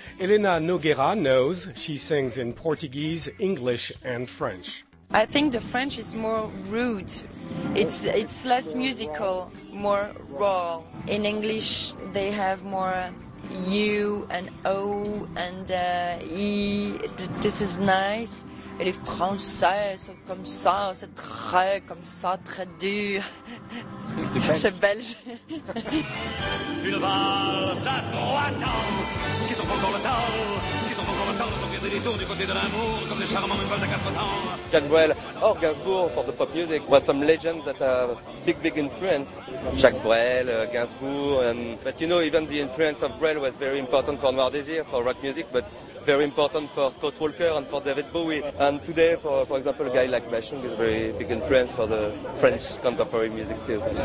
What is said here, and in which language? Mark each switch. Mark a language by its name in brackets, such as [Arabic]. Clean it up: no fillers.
[English] Helena Nogueira knows. She sings in Portuguese, English and French. I think the French is more rude. It's less musical, more raw. In English, they have more U and O and E. This is nice. [French] Et les Français sont comme ça, c'est très comme ça, très dur. C'est belge. Une valse à trois temps, qui sont encore le temps, qui sont encore le temps, sont bien des détours du côté de l'amour, comme des charmants, une valse à quatre temps. [English] Jean-Noël, or Gainsbourg, for the pop music, was some legends that are big, big influence. Jacques Brel, Gainsbourg, and, but you know, even the influence of Brel was very important for Noir Désir, for rock music, but very important for Scott Walker and for David Bowie. And today, for example, a guy like Bachung is very big influence for the French contemporary music too.